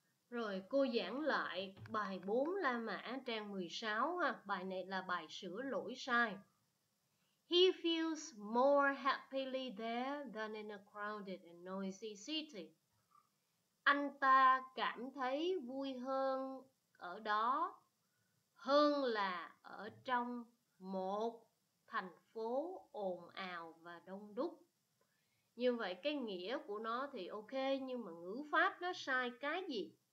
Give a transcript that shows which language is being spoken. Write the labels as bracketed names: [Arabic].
[Vietnamese] Rồi cô giảng lại bài 4 La Mã trang 16 ha. Bài này là bài sửa lỗi sai. [English] He feels more happily there than in a crowded and noisy city. [Vietnamese] Anh ta cảm thấy vui hơn ở đó hơn là ở trong một thành phố ồn ào và đông đúc. Như vậy cái nghĩa của nó thì ok, nhưng mà ngữ pháp nó sai cái gì?